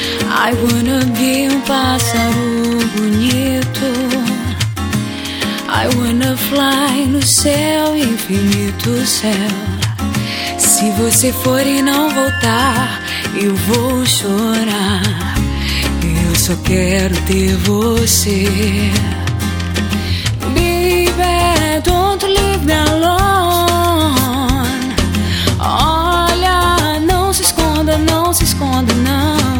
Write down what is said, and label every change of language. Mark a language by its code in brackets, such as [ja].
[en] I wanna be [pt] um pássaro bonito. [en] I wanna fly [pt] no céu, infinito céu. Se você for e não voltar, eu vou chorar. Eu só quero ter você. [en] Baby, don't leave me alone. [pt] Olha, não se esconda, não se esconda, não.